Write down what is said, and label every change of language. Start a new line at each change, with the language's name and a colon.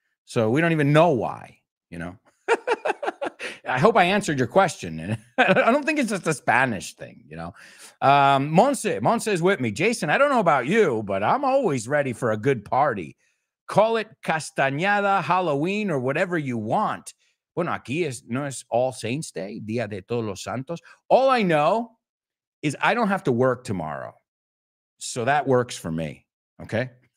English: So we don't even know why, you know? I hope I answered your question. I don't think it's just a Spanish thing, you know? Monse is with me. Jason, I don't know about you, but I'm always ready for a good party. Call it Castañada, Halloween, or whatever you want.
Spanish: Bueno, aquí es, no es All Saints Day, Día de Todos los Santos.
English: All I know is I don't have to work tomorrow. So that works for me, okay?